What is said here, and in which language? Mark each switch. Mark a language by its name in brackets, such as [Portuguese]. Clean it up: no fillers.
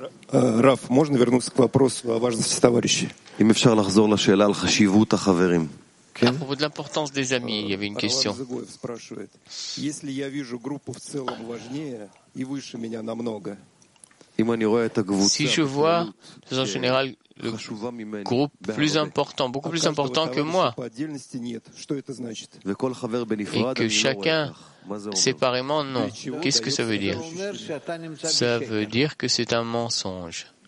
[Russian] Rav, можно вернуться к вопросу о важности товарищей? [Hebrew] אם אפשר לחזור לשאלה על חשיבות החברים. כן. [French] À propos de l'importance des amis, il y avait une question. [Russian] Если я вижу группу в целом важнее и выше меня намного, [French] Si je vois, de façon générale, le groupe plus important, beaucoup plus important que moi, et que chacun séparément, non. Qu'est-ce que ça veut dire? Ça veut dire que c'est un mensonge.